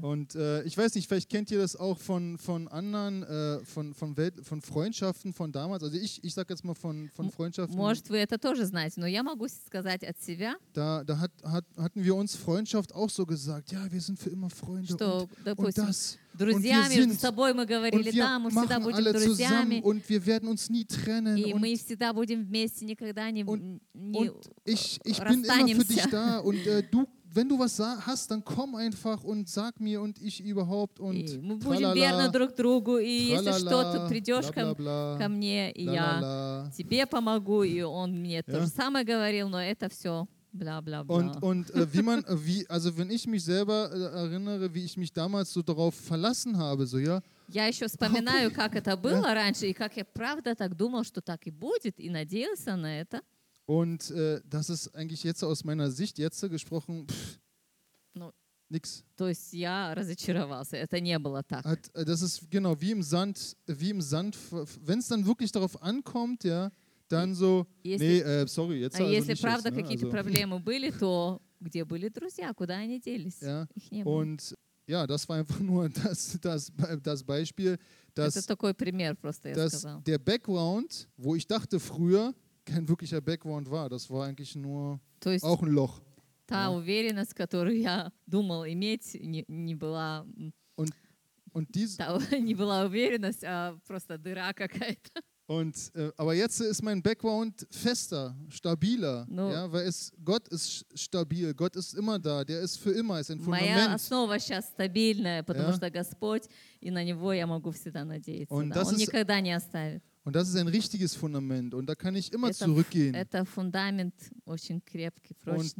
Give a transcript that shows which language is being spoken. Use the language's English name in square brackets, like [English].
[German] Und ich weiß nicht, vielleicht kennt ihr das auch von anderen, von Freundschaften von damals. Also ich sag jetzt mal von Freundschaften. [Russian] Может, вы это тоже знаете, но я могу сказать от себя. [German] Da hatten wir uns Freundschaft auch so gesagt. Ja, wir sind für immer Freunde. [Russian] Что, [German] und, [Russian] допустим, [German] und das. [Russian] Друзьями [German] und [Russian] с тобой мы говорили, да, мы всегда будем [German] alle [Russian] друзьями. [German] Zusammen, und wir werden uns nie trennen. [Russian] И мы всегда будем вместе, никогда не расстанемся. [German] Und ich bin immer für dich da und du wenn du was hast, dann komm einfach und sag mir und ich überhaupt und [Russian] мы будем верны друг другу и если что-то придешь ко мне и я тебе помогу и он мне то же самое говорил, но это все бла бла бла. [German] Und wie man wie also wenn ich mich selber erinnere, wie ich mich damals so darauf verlassen habe, so ja. [Russian] Я еще вспоминаю, как это было раньше и как я правда так думал, что так и будет и надеялся на это. [German] Und das ist eigentlich jetzt aus meiner Sicht jetzt gesprochen nix. [Russian] То есть я разочаровался. Это не было так. [German] Das ist genau wie im Sand. Wenn es dann wirklich darauf ankommt, ja, dann so. Sorry, jetzt also nicht. [Russian] Если правда какие-то проблемы были, то где были друзья? Куда они делись? [German] Ja. Und ja, das war einfach nur das Beispiel, dass. [Russian] Это такой пример просто я сказал. [German] Der Background, wo ich dachte früher kein wirklicher Background war. Das war eigentlich nur [Russian] то есть, [German] auch ein Loch. Та ja. [Russian] Уверенность, которую я думал иметь, не была. [German] Und dies, [Russian] та, не была уверенность, а просто дыра какая-то. [German] Und aber jetzt ist mein Background fester, stabiler, no. Ja, weil es Gott ist stabil, Gott ist immer da, der ist für immer, ist ein Fundament. [Russian] Моя основа сейчас стабильная, потому что Господь, и на него я могу всегда надеяться. [German] Und das ist, [Russian] никогда не оставит. [German] Und das ist ein richtiges Fundament und da kann ich immer zurückgehen. [Russian] Это фундамент очень крепкий, прочный.